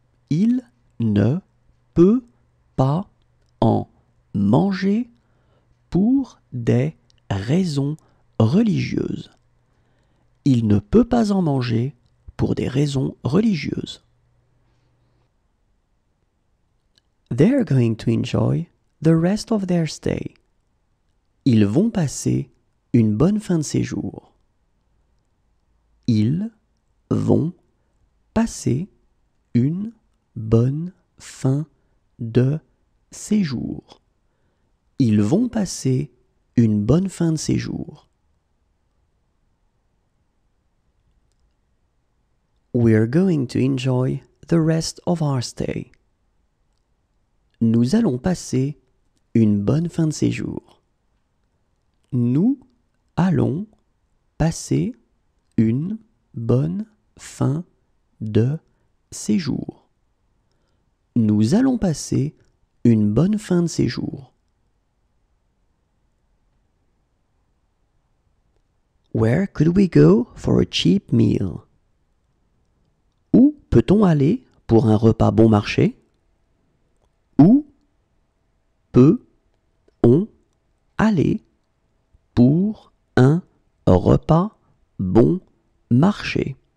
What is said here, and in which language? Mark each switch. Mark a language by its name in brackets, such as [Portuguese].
[French] Il ne peut pas en manger pour des raisons religieuses. Il ne peut pas en manger pour des raisons religieuses. [English] They're going to enjoy the rest of their stay. [French] Ils vont passer une bonne fin de séjour. Ils vont passer une bonne fin de séjour. Ils vont passer une bonne fin de séjour. [English] We're going to enjoy the rest of our stay. [French] Nous allons passer une bonne fin de séjour. Nous allons passer une bonne fin de séjour. Nous allons passer une bonne fin de séjour. [English] Where could we go for a cheap meal? [French] Où peut-on aller pour un repas bon marché? Où peut-on aller pour un repas bon marché?